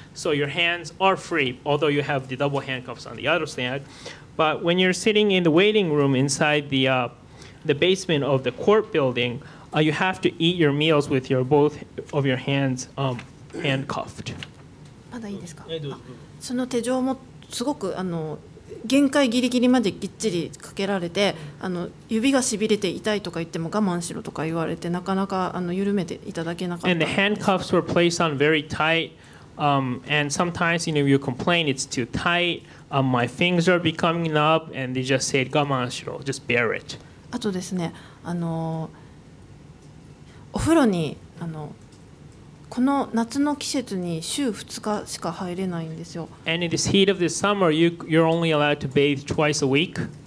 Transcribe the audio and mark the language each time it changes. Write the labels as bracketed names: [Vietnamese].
[English] So your hands are free, although you have the double handcuffs on the other side. But when you're sitting in the waiting room inside the basement of the court building, you have to eat your meals with both of your hands handcuffed. [Japanese] まだいいですか？その手錠もすごく限界ギリギリまでぎっちりかけられて、指がしびれて痛いとか言っても我慢しろとか言われて、なかなか緩めていただけなかった。 [English] And the handcuffs were placed on very tight. And sometimes, you complain it's too tight. My fingers are becoming numb, and they just said, [Japanese] "我慢しろ, [English] just bear it." [Japanese] あとですね、お風呂にこの夏の季節に週2日しか入れないんですよ。 [English] And in this heat of this summer, you're only allowed to bathe twice a week.